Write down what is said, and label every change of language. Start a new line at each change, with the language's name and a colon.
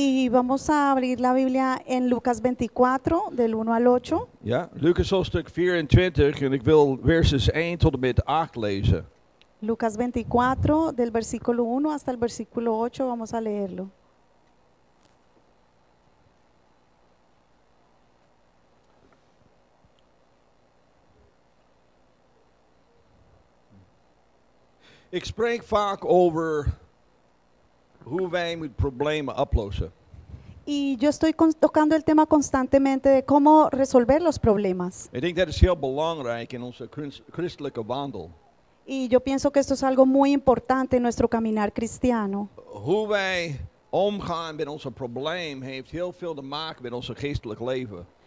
Spanish: vamos a abrir la Biblia en Lucas 24, del 1 al 8.
Dutch: Ja, Lucas hoofdstuk 24, en ik wil verses 1 tot en met 8 lezen.
Spanish: Lucas 24, del versículo 1 hasta el versículo 8, vamos a leerlo.
Dutch: Ik spreek vaak over hoe wij met problemen oplossen.
Spanish: Y yo estoy tocando el tema constantemente de cómo resolver los problemas.
English: I think that
Dutch: is heel belangrijk in onze christelijke wandel.
Spanish: Y yo pienso que esto es algo muy importante en nuestro caminar cristiano.
Dutch: Hoe wij omgaan met onze probleem heeft heel veel te maken met onze geestelijk leven.